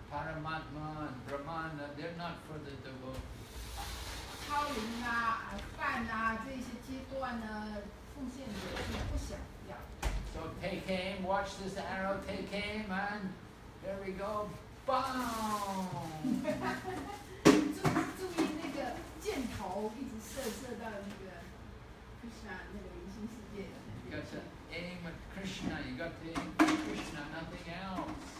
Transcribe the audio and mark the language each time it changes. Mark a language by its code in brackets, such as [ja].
[en] Paramatma and Brahmana, they're not for the devotees. [zh] 超灵啊，梵啊，这些阶段呢，奉献者是不想要。 [en] So take aim, watch this arrow, take aim, and there we go, boom! [zh] 注意那个箭头一直射到那个 Krishna 那个灵性世界。 [en] You got to aim at Krishna, you got to aim at Krishna, nothing else.